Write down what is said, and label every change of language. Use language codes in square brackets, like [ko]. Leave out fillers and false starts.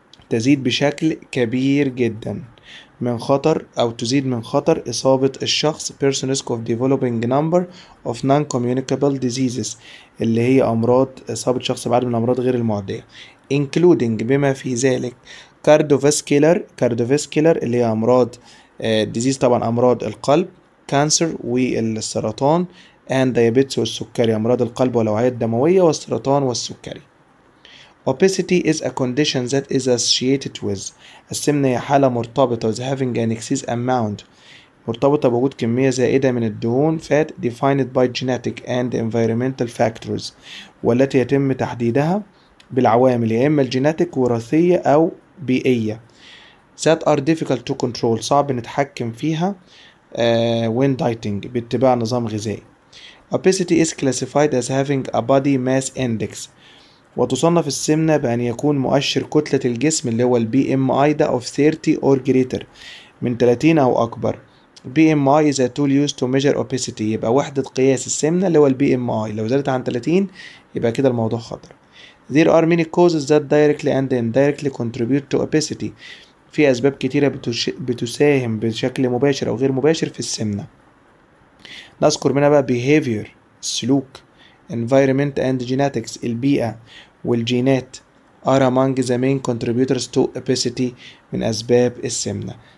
[ar] تزيد بشكل كبير جدا من خطر أو تزيد من خطر إصابة الشخص [en] person risk of developing number of non-communicable diseases، [ar] اللي هي أمراض إصابة شخص بعد من الأمراض غير المعدية، [en] including [ar] بما في ذلك [en] cardiovascular [ar] اللي هي أمراض [en] disease [ar] طبعا أمراض القلب، [en] cancer [ar] والسرطان، [en] and diabetes [ar] والسكري أمراض القلب والأوعية الدموية والسرطان والسكري. [en] Obesity is a condition that is associated with. [ar] السمنة هي حالة مرتبطة [en] with having an excess amount. [ar] مرتبطة بوجود كمية زائدة من الدهون [en] fat defined by genetic and environmental factors. [ar] والتي يتم تحديدها بالعوامل يا إما الجينيتك وراثية أو بيئية. [en] That are difficult to control. [ar] صعب نتحكم فيها [en] when dieting [ar] باتباع نظام غذائي. [en] Obesity is classified as having a body mass index. [ar] وتصنف السمنة بأن يكون مؤشر كتلة الجسم اللي هو البي ام اي ده [en] of 30 or greater، [ar] من 30 أو أكبر. بي ام اي [en] is a tool used to measure obesity، [ar] يبقى وحدة قياس السمنة اللي هو البي ام اي لو زادت عن 30 يبقى كده الموضوع خطر. [en] There are many causes that directly and indirectly contribute to obesity. [ar] في أسباب كتيرة بتساهم بشكل مباشر أو غير مباشر في السمنة. نذكر منها بقى [en] behavior [ar] السلوك، [en] environment and genetics [ar] البيئة والجينات [en] are among the main contributors to obesity [ar] من أسباب السمنة.